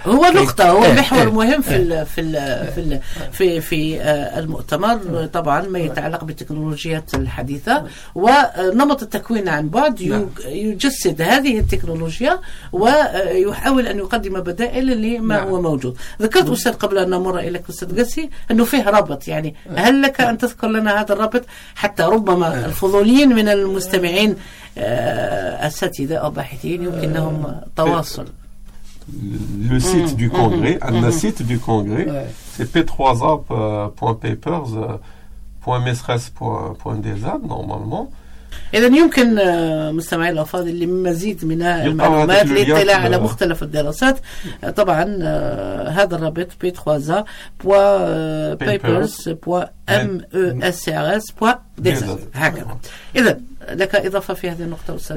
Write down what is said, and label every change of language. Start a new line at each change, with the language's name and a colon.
Arabic: هو نقطه هو محور مهم في الـ في الـ في الـ في, الـ في المؤتمر طبعا ما يتعلق بالتكنولوجيات الحديثه ونمط التكوين عن بعد يجسد هذه التكنولوجيا ويحاول أن يقدم بدائل لما هو موجود. ذكرت أستاذ قبل أن نمر إليك أستاذ قسي أنه فيه رابط يعني هل لك أن تذكر لنا هذا الرابط حتى ربما الفضوليين من المستمعين أساتذة أو باحثين يمكنهم تواصل
French: le site du congrès le site du congrès c'est p3a.papers.mesres.desa normalement.
Arabic: إذن يمكن مستمعي الأفاضل لمزيد من المعلومات للاطلاع على مختلف الدراسات طبعا هذا الرابط p3a.papers.mesres.desa هكذا. إذن لك إضافة في هذه النقطة أستاذ؟